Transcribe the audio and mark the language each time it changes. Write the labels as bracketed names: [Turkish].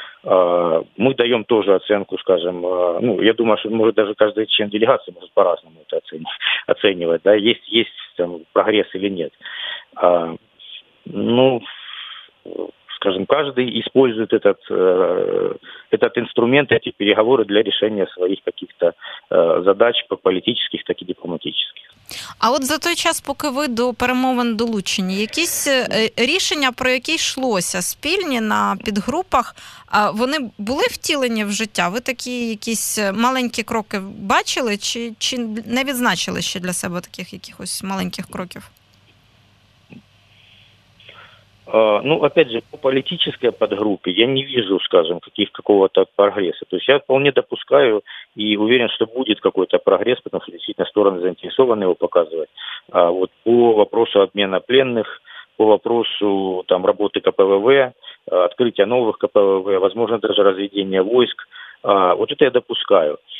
[Russian] Мы даем тоже оценку, скажем, ну, я думаю, что может даже каждый член делегации может по-разному это оценивать, да, есть там прогресс или нет. Ну, скажем, каждый использует этот инструмент, эти переговоры для решения своих каких-то задач, как политических, так и дипломатических. [Ukrainian] А от за той час, поки ви до перемовин долучені, якісь рішення, про які йшлося спільні на підгрупах, вони були втілені в життя? Ви такі якісь маленькі кроки бачили, чи не відзначили ще для себе таких якихось маленьких кроків? [Russian] Ну, опять же, по политической подгруппе я не вижу, скажем, какого-то прогресса. То есть я вполне допускаю и уверен, что будет какой-то прогресс, потому что действительно стороны заинтересованы его показывать. А вот по вопросу обмена пленных, по вопросу там работы КПВВ, открытия новых КПВВ, возможно, даже разведения войск, вот это я допускаю.